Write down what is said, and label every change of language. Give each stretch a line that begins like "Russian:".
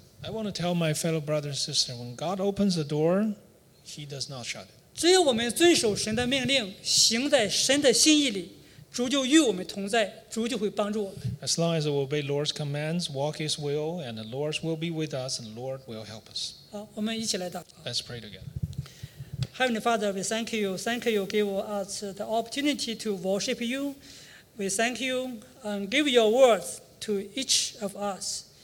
English: I want to tell my fellow brothers and sisters, when God opens the door, He does not shut it.
Chinese: 只有我们遵守神的命令，行在神的心意里，主就与我们同在，主就会帮助我们。
English: As long as we obey Lord's commands, walk His will, and the Lord will be with us, and the Lord will help us.
Chinese: 好，我们一起来祷告。
English: Let's pray together. Heavenly Father, we thank you. Thank you give us the opportunity to worship you. We thank you and give your words to each of us.